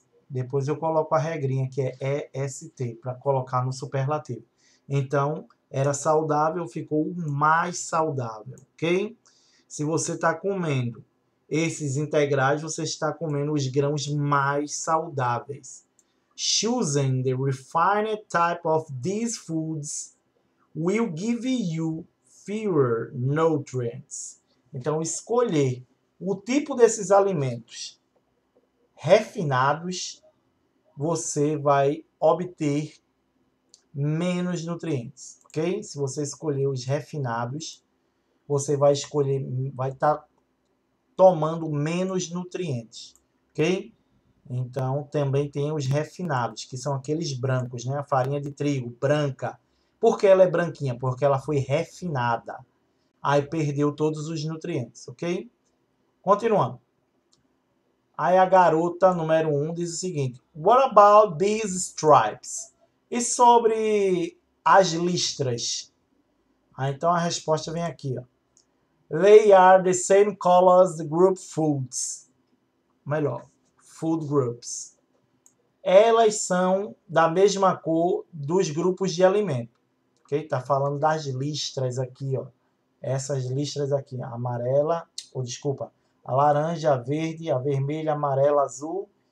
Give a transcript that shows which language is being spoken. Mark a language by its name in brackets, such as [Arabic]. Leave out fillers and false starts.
[Portuguese] Depois eu coloco a regrinha, que é EST, para colocar no superlativo. Então, era saudável, ficou o mais saudável, ok? Se você está comendo esses integrais, você está comendo os grãos mais saudáveis. [English] Choosing the refined type of these foods will give you fewer nutrients. [Portuguese] Então, escolher o tipo desses alimentos refinados, você vai obter menos nutrientes, ok? Se você escolher os refinados, você vai escolher, vai estar tomando menos nutrientes, ok? Então, também tem os refinados, que são aqueles brancos, né? A farinha de trigo branca. Por que ela é branquinha? Porque ela foi refinada. Aí perdeu todos os nutrientes, ok? Continuando. Aí a garota número 1 diz o seguinte: [English] What about these stripes? [Portuguese] E sobre as listras? Aí, então a resposta vem aqui, ó. [English] They are the same colors group foods. [Portuguese] Melhor, [English] food groups. [Portuguese] Elas são da mesma cor dos grupos de alimento. Ok? Tá falando das listras aqui, ó. Essas listras aqui, amarela, ou desculpa, a laranja, a verde, a vermelha, amarela, azul